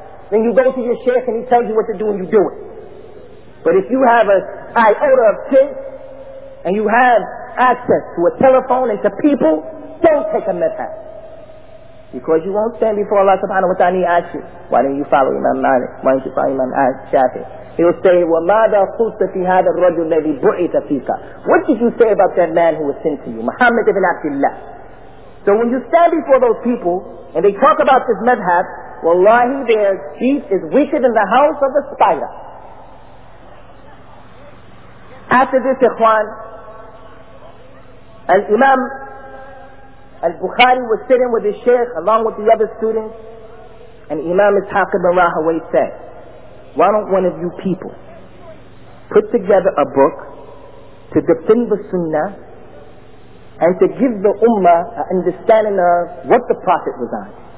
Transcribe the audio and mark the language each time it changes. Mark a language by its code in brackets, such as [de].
[en] Then you go to your sheikh and he tells you what to do and you do it. But if you have an iota of sense, and you have access to a telephone and to people, don't take a madhab. Because you won't stand before Allah subhanahu wa ta'ala and ask you, why don't you follow Imam Malik? Why don't you follow Imam Shafi? He'll say, [ar] وَمَاذَا قُلْتَ فِي هَذَا الرَّجُلُ الَّذِي بُعِثَ فِيكَ. [en] What did you say about that man who was sent to you? Muhammad ibn Abdullah. So when you stand before those people, and they talk about this madhab, wallahi, their chief is weaker than the house of a spider. After this, ikhwan, al-Imam al-Bukhari was sitting with his sheikh along with the other students, and Imam Ishaq ibn Rahawayh said, why don't one of you people put together a book to defend the sunnah and to give the ummah an understanding of what the Prophet was on?